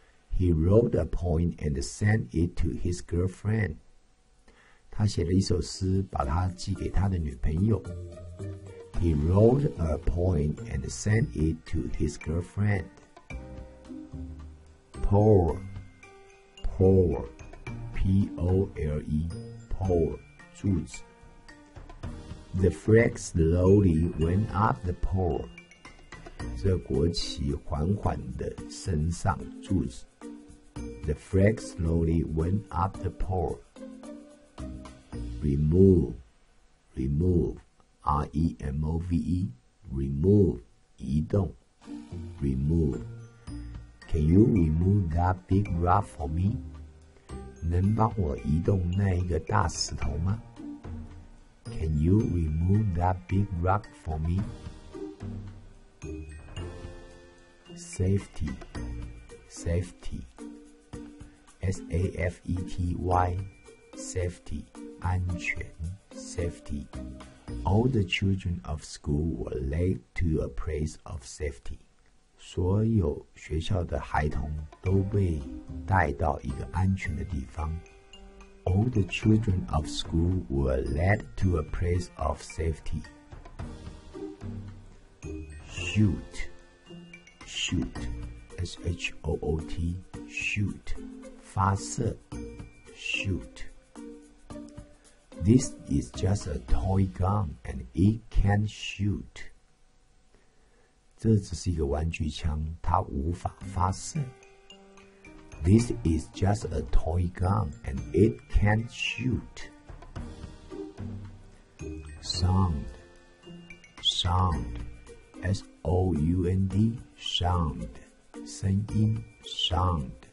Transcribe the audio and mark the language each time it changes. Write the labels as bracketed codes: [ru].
[en] He wrote a poem and sent it to his girlfriend. [zh] 他写了一首诗，把它寄给他的女朋友。 [en] He wrote a poem and sent it to his girlfriend. Pole, P-O-L-E, pole, 柱子。 The flag slowly went up the pole. [zh] 这国旗缓缓地升上柱子。 [en] The flag slowly went up the pole. Remove, R-E-M-O-V-E, remove, 移动 remove. Can you remove that big rock for me? [zh] 能帮我移动那一个大石头吗？ [en] Can you remove that big rock for me? safety, safety, S-A-F-E-T-Y, safety, 安全 safety. All the children of school were led to a place of safety. [zh] 所有学校的孩童都被带到一个安全的地方。 [en] All the children of school were led to a place of safety. Shoot, shoot, S-H-O-O-T, shoot, 发射 shoot. This is just a toy gun and it can shoot. [zh] 这只是一个玩具枪，它无法发射。 [en] This is just a toy gun and it can't shoot. Sound, sound, S-O-U-N-D, sound, 声音 sound.